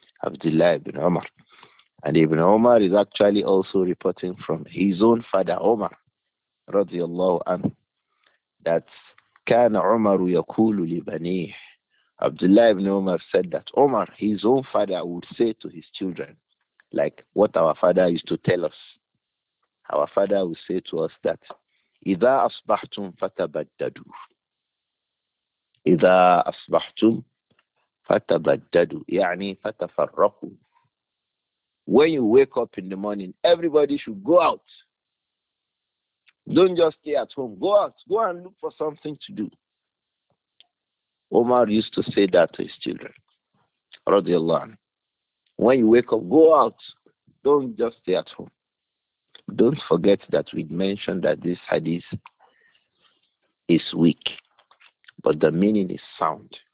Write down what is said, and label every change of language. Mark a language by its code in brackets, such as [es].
[en] Abdullah ibn Umar. And Ibn Umar is actually also reporting from his own father, Umar, radiallahu anhu, that [ar] Kana Umaru yakulu libanih. [en] Abdullah ibn Umar said that Umar, his own father, would say to his children, like what our father used to tell us. Our father would say to us that, [ar] إِذَا أَصْبَحْتُمْ فَتَبَدَّدُوا إِذَا أَصْبَحْتُمْ فَتَبَدَّدُوا يعني فَتَفَرَّقُوا. [en] When you wake up in the morning, everybody should go out. Don't just stay at home. Go out. Go and look for something to do. Umar used to say that to his children, رضي الله عنه. When you wake up, go out. Don't just stay at home. Don't forget that we mentioned that this hadith is weak, but the meaning is sound.